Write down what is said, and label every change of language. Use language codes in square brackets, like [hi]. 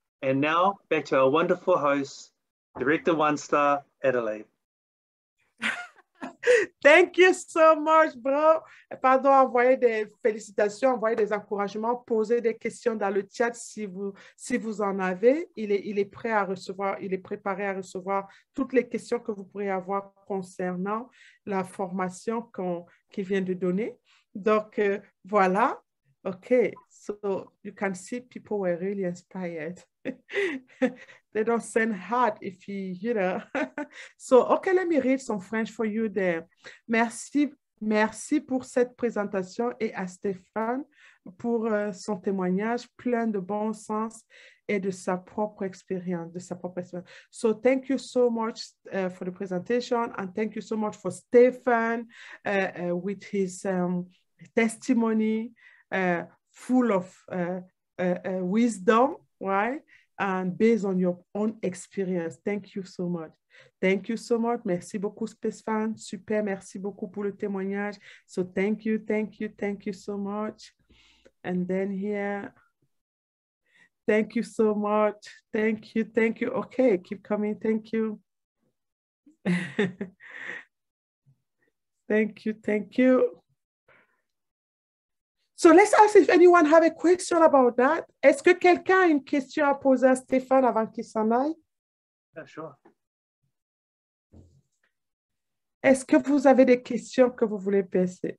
[en] And now, back to our wonderful host, Director One Star, Adelaide. Thank you so much, bro. [fr] Pardon, envoyez des félicitations, envoyez des encouragements, posez des questions dans le chat si vous en avez. Il est prêt à recevoir, il est préparé à recevoir toutes les questions que vous pourrez avoir concernant la formation qu'il vient de donner. Donc, voilà. OK. [en] So you can see people were really inspired. They don't send heart if you know. So, okay, let me read some French for you there. [fr] Merci, merci pour cette présentation et à Stéphane pour son témoignage plein de bon sens et de sa propre expérience, de sa propre expérience. [en] So thank you so much for the presentation, and thank you so much for Stéphane with his testimony. Full of wisdom, right? And based on your own experience. Thank you so much. Thank you so much. [fr] Merci beaucoup, Space Fan. Super. Merci beaucoup pour le témoignage. [en] So thank you, thank you, thank you so much. And then here, thank you so much. Thank you, thank you. Okay, keep coming. Thank you. Thank you, thank you. So let's ask if anyone have a question about that. [fr] Est-ce que quelqu'un a une question à poser à Stéphane avant qu'il s'en aille? [en] Yeah, sure. [fr] Est-ce que vous avez des questions que vous voulez poser?